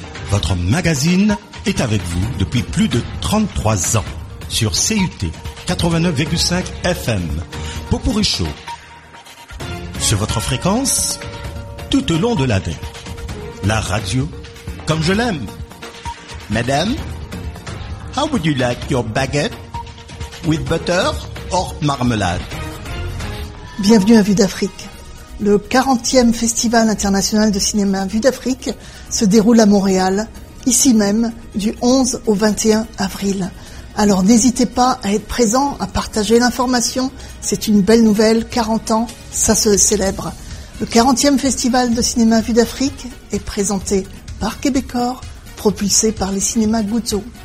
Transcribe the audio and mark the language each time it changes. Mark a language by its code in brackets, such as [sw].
[fr] Votre magazine est avec vous depuis plus de 33 ans. Sur CUT 89,5 FM, Popourri Show, sur votre fréquence, tout au long de l'année, la radio, comme je l'aime. [en] Madame, how would you like your baguette, with butter or marmalade? [fr] Bienvenue à Vue d'Afrique. Le 40e Festival International de Cinéma Vue d'Afrique se déroule à Montréal, ici même, du 11 au 21 avril. Alors n'hésitez pas à être présent, à partager l'information. C'est une belle nouvelle, 40 ans, ça se célèbre. Le 40e Festival de cinéma Vue d'Afrique est présenté par Québecor, propulsé par les cinémas Gouzeau.